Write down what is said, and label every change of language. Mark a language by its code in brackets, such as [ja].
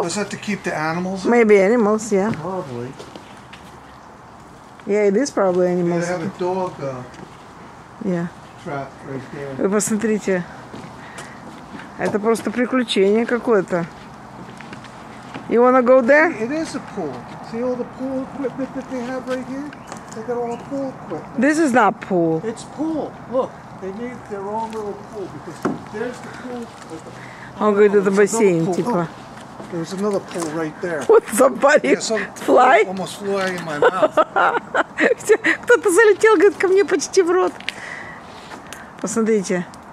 [en] Was that to keep the animals? Maybe animals, yeah. Probably. Yeah, it is probably animals. They have a dog yeah. trap right there. [ru] Вы посмотрите. Это просто приключение какое-то. [en] You wanna go there? It is a pool. See all the pool equipment that they have right here? They got all the pool equipment. This is not pool. It's pool. Look, they need their own little pool because there's the pool. [ru] Он говорит, это бассейн, типа. [en] Oh, pool right there. Вот [ru] somebody [en] yeah, some fly? Almost flying in my mouth. [ru] Кто-то залетел, говорит, ко мне почти в рот. Посмотрите.